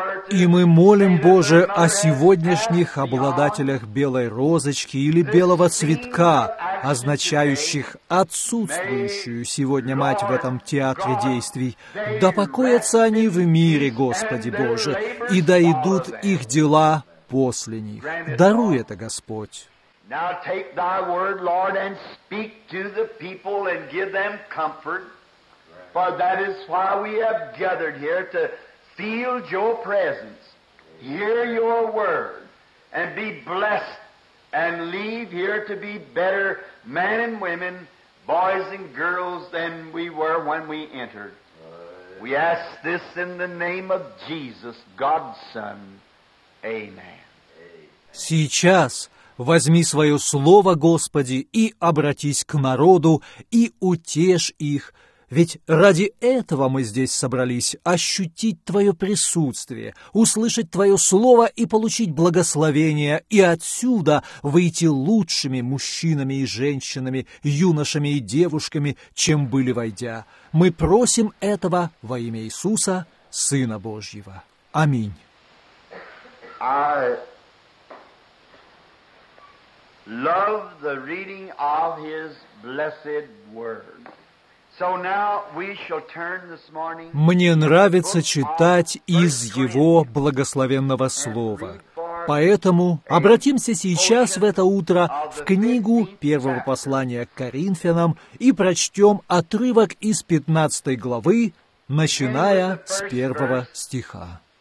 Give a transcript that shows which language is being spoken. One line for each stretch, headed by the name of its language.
Russian: И мы молим, Боже, о сегодняшних обладателях белой розочки или белого цветка, означающих отсутствующую сегодня мать в этом театре действий. Да покоятся они в мире, Господи Боже, и дойдут их дела после них. Даруй это, Господь.
English: Now take Thy word, Lord, and speak to the people and give them comfort, for that is why we have gathered here to feel Your presence, hear Your word, and be blessed, and leave here to be better men and women, boys and girls than we were when we entered. We ask this in the name of Jesus, God's Son. Amen.
Russian: Сейчас возьми свое слово, Господи, и обратись к народу, и утешь их, Ведь ради этого мы здесь собрались, ощутить Твое присутствие, услышать Твое слово и получить благословение, и отсюда выйти лучшими мужчинами и женщинами, юношами и девушками, чем были войдя. Мы просим этого во имя Иисуса, Сына Божьего. Аминь.
English: Love the reading of His blessed word. So now we shall turn this morning.
Russian: Мне нравится читать из Его благословенного слова. Поэтому обратимся сейчас в это утро в книгу первого послания к Коринфянам и прочтем отрывок из 15 главы, начиная с 1 стиха.